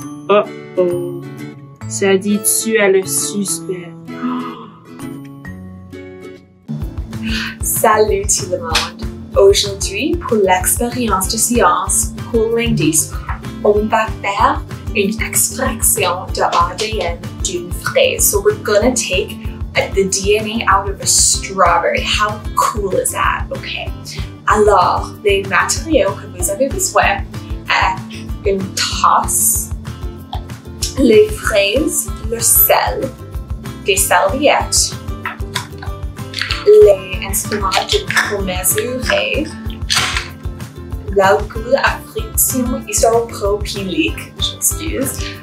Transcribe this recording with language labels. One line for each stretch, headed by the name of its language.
French: Oh oh, ça dit tu es le suspect. Salut tout le monde. Aujourd'hui, pour l'expérience de science pour l'indice, on va faire une extraction de ADN d'une fraise.
English: So we're gonna take the DNA out of a strawberry. How cool is that? Okay.
French: Alors, les matériaux que vous avez besoin est une tasse, les fraises, le sel, des serviettes, les instruments de pour mesurer l'alcool à friction isopropylique, j'excuse.